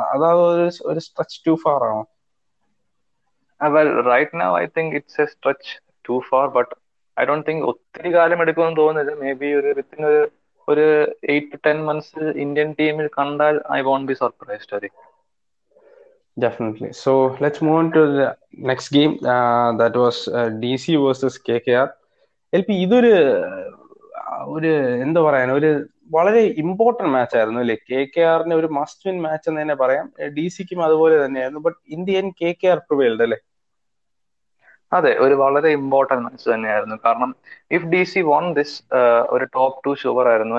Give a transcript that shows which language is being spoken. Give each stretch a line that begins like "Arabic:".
Malayalam: അതാ ഒരു
English: stretch too far
Malayalam: ആണോ?
English: Well, right now I think it's a stretch too far, but I don't think
Malayalam: ഒത്തിരി കാലം എടുക്കുമെന്ന് തോന്നുന്നില്ല.
English: Maybe ഒരു within ഒരു ഒരു 8 to 10 months
Malayalam: ഇന്ത്യൻ ടീമിൽ കണ്ടാൽ
English: I won't be surprised.
Malayalam: അതെ.
English: Definitely. So let's move on to the next game. That was DC versus KKR.
Malayalam: LP, ഇതൊരു ഒരു എന്താ പറയാ, ഒരു വളരെ ഇമ്പോർട്ടന്റ് മാച്ച് ആയിരുന്നു അല്ലെ? കെ കെ ആറിന്റെ ഒരു മസ്റ്റ് വിൻ മാച്ച് എന്ന് തന്നെ പറയാം. ഡി സിക്കും അതുപോലെ തന്നെയായിരുന്നു.
English: But Indian K K R prevailed അല്ലെ?
Malayalam: അതെ, ഒരു വളരെ ഇമ്പോർട്ടൻറ്റ് മാച്ച് തന്നെയായിരുന്നു. കാരണം
English: if D C won this,
Malayalam: ഒരു ടോപ്പ് ടു ഷുവർ ആയിരുന്നു.